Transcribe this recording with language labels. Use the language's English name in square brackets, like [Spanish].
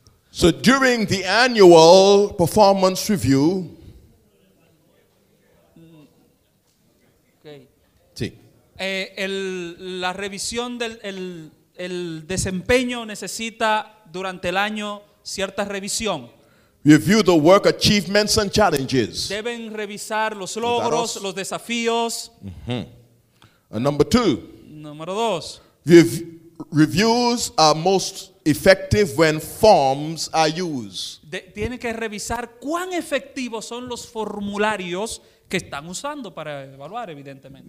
[English] So during the annual performance review, [Spanish] la revisión del el desempeño necesita durante el año cierta revisión. [English] Review the work achievements and challenges. [Spanish] Deben revisar los logros, los desafíos. [English] Mm-hmm. And number two. [Spanish] Número dos. [English] Reviews are most effective when forms are used. [Spanish] Tiene que revisar cuán efectivos son los formularios que están usando para evaluar, evidentemente.